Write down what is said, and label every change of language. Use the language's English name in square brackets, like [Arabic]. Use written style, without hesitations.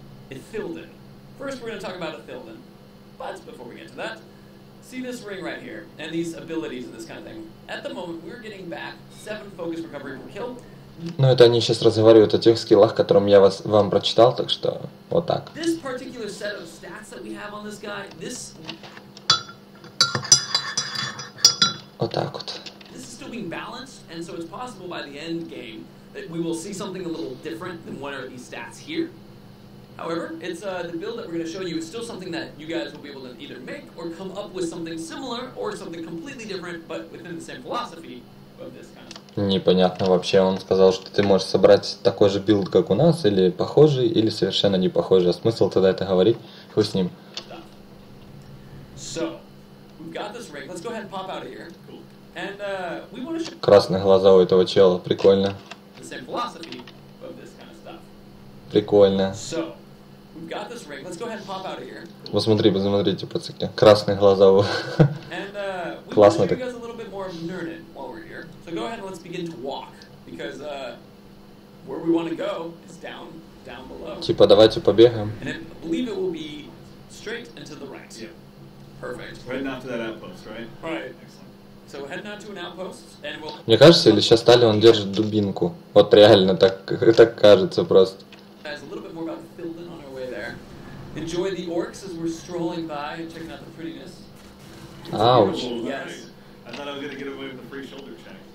[English] First, we're going to talk about Ithilden. But before we get to that, see this ring right here and these abilities and this kind of thing. At the moment, we're getting back 7 focus recovery per kill. [Russian] Ну это они сейчас разговаривают о тех скиллах, которым я вам прочитал, так что вот так. [English] This particular set of stats that we have on this guy, this. [Russian] Вот так вот. [English] This is still being balanced, and so it's possible by the end game that we will see something a little different than what are these stats here. However, it's the build that we're going to show you is still something that you guys will be able to either make or come up with something similar or something completely different, but within the same philosophy of this kind of. [Russian] Непонятно вообще. Он сказал, что ты можешь собрать такой же билд, как у нас, или похожий, или совершенно не похожий. А смысл тогда это говорить? Хуй с ним. [English] So, we've got this ring. Let's go ahead and pop out of here. Cool. And we want to show. [Russian] Красные глаза у этого чела. Прикольно. [English] The same philosophy of this kind of stuff. [Russian] Прикольно. [English] So. We've got this ring. Let's go ahead and pop out of here. [Russian] Посмотри, посмотрите, пацаны. Красные глаза. [English] And we want to show you guys a little bit more of Nurnin while we're here. So go ahead and let's begin to walk. Because where we want to go is down below. [Russian] Типа, давайте побегаем. [English] And I believe it will be straight and to the right. Yeah. Perfect. Heading out to that outpost, right? Right. Excellent. So we're heading out to an outpost and we'll. [Russian] Мне кажется, или сейчас Тали, он держит дубинку. Вот реально, так кажется просто. [English] Guys, a little bit more about Fildon. Enjoy the orcs as we're strolling by and checking out the prettiness. Ouch. Yes. I thought I was going to get away with a free shoulder check.